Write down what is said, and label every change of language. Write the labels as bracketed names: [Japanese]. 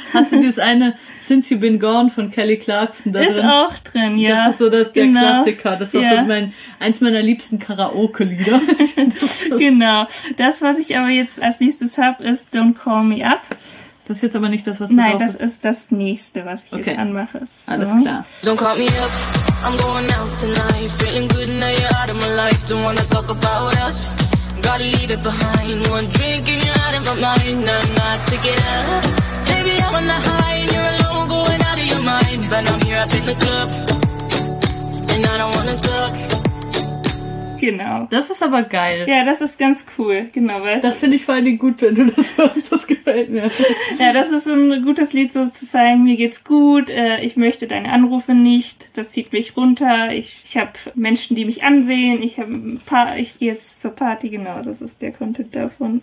[German] Hast du dieses eine Since You Been Gone von Kelly Clarkson da drin? Ist auch drin, ja. Das ist so der Klassiker. Das ist auch so eins meiner liebsten Karaoke-Lieder. Genau. Das, was ich aber jetzt als nächstes habe, ist Don't Call Me Up. Das ist jetzt aber nicht das, was du drauf hast. Nein, das ist das nächste, was ich jetzt anmache. So. Alles klar. [English] Don't call me up, I'm going out tonight. Feeling good now you're out of my life. Don't wanna talk about us, gotta leave it behind. One drink and you're out of my mind. I'm not together. Baby, I'm on the high and you're alone, going out of your mind. But I'm here up in the club and I don't wanna talk. [German] Genau. Das ist aber geil. Ja, das ist ganz cool. Genau, weißt das finde ich vor allem gut, wenn du das hörst. Das gefällt mir. Ja, das ist ein gutes Lied sozusagen. Mir geht's gut. Ich möchte deine Anrufe nicht. Das zieht mich runter. Ich habe Menschen, die mich ansehen. Ich gehe jetzt zur Party. Genau, das ist der Content davon.